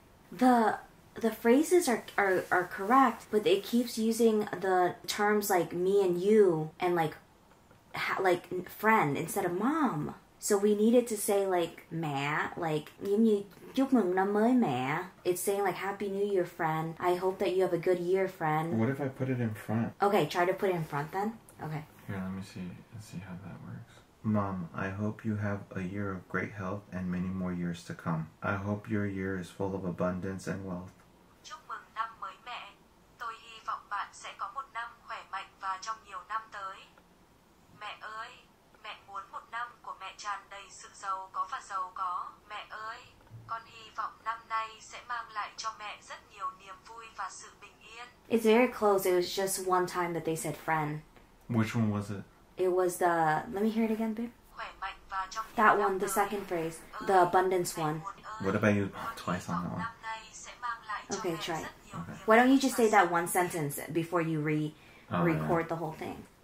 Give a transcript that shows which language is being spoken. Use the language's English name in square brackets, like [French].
[English] the phrases are correct, but it keeps using the terms like me and you and like friend instead of mom. So we needed to say like mẹ, like [Vietnamese] chúc mừng năm mới mẹ. [English] It's saying like happy new year, friend. I hope that you have a good year, friend. What if I put it in front? Okay, try to put it in front then. Okay. Here, let me see. Let's see how that works. Mom, I hope you have a year of great health and many more years to come. I hope your year is full of abundance and wealth. [Vietnamese] Chúc mừng năm mới mẹ. Tôi hy vọng bạn sẽ có một năm khỏe mạnh và trong nhiều năm tới. Mẹ ơi, mẹ muốn một năm của mẹ tràn đầy sự giàu có và giàu có. Mẹ ơi, con hy vọng năm nay sẽ mang lại cho mẹ rất nhiều niềm vui và sự bình yên. [English] It's very close. It was just one time that they said friend. Which one was it? It was the... Let me hear it again, babe. That one, the second phrase. The abundance one. What if I use twice on that one? Okay, try it. Okay. Why don't you just say that one sentence before you record the whole thing?